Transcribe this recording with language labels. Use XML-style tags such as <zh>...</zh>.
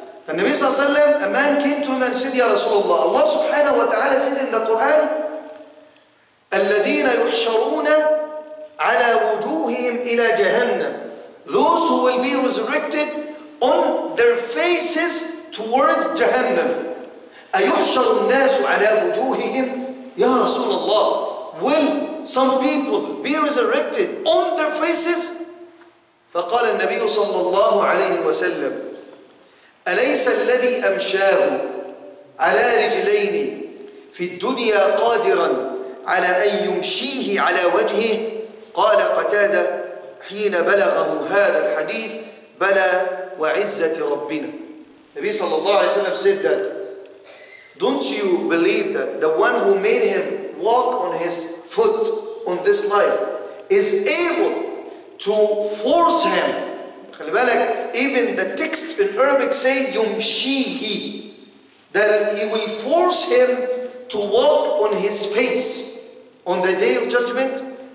<en>The Nabi Sallallahu Alaihi Wasallam, a man came to him and said, Ya Rasulullah, Allah subhanahu wa ta'ala said in the Quran,</en> <ar>الَّذِينَ يُحْشَرُونَ عَلَى وُجُوهِهِمْ إِلَى جَهَنَّمْ.</ar> <en>Those who will be resurrected on their faces towards Jahannam.</en> <ar>أَيُحْشَرُ النَّاسُ عَلَى وُجُوهِهِمْ.</ar> <en>Ya Rasulullah, will some people be resurrected on their faces?</en> <ar>فقال النبي صلى الله عليه وسلم أليس الذي أمشاه على رجلين في الدنيا قادرا على أن يمشيه على وجهه؟ قال قتادة حين بلغه هذا الحديث بلى وعزة ربنا. النبي صلى الله عليه وسلم</ar> <en>said that, don't you believe that the one who made him walk on his foot on this life is able to force him,</en> <ar>خلي بالك,</ar> <en>even the text in Arabic say يمشيه, that he will force him to walk on his face on the day of judgment.</en>